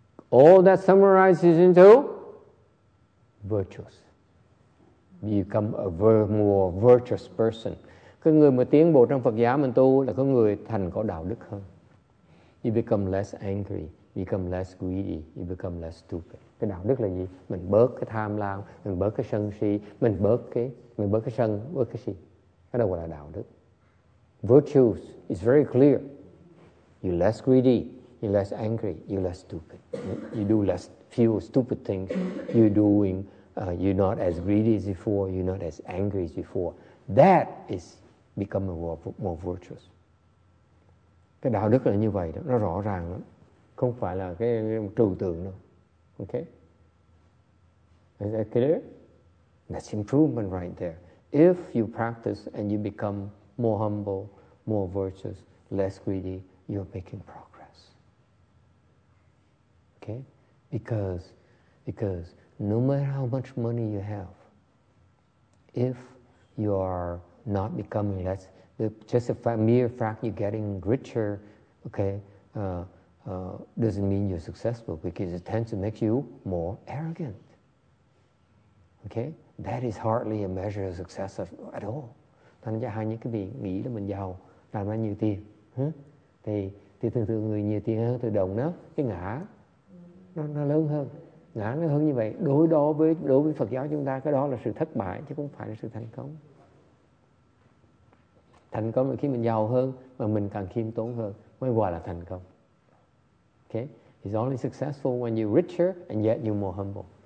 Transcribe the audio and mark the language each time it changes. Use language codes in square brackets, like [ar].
[en] All that summarizes into virtues. Become a more virtuous person. [vi] Cái người mà tiến bộ trong Phật giáo mình tu là có người thành có đạo đức hơn. [en] You become less angry, become less greedy, you become less stupid. [vi] Cái đạo đức là gì? Mình bớt cái tham lam, mình bớt cái sân si, mình bớt cái sân, bớt cái si. Cái đó gọi là đạo đức. [en] virtues, it's very clear. You're less greedy, you're less angry, you're less stupid. You do less few stupid things. You're doing, you're not as greedy as before, you're not as angry as before. That is becoming more virtuous. [vi] Cái đạo đức là như vậy đó, nó rõ ràng lắm. Không phải là cái trừu tượng đâu. [en] Okay? Is that clear? That's improvement right there. If you practice and you become more humble, more virtuous, less greedy, you're making progress. Okay? Because no matter how much money you have, if you are not becoming less, just a mere fact you're getting richer, okay, doesn't mean you're successful because it tends to make you more arrogant. Okay? That is hardly a measure of success at all. [vi] Thành ra hai những cái việc nghĩ là mình giàu, làm ra nhiều tiền. Thì thường thường người nhiều tiền hơn, từ đồng đó, cái ngã nó lớn hơn. Ngã nó hơn như vậy. Đối với Phật giáo chúng ta, cái đó là sự thất bại chứ không phải là sự thành công. Thành công là khi mình giàu hơn mà mình càng khiêm tốn hơn mới gọi là thành công. [en] Okay? It's only successful when you're richer and yet you're more humble.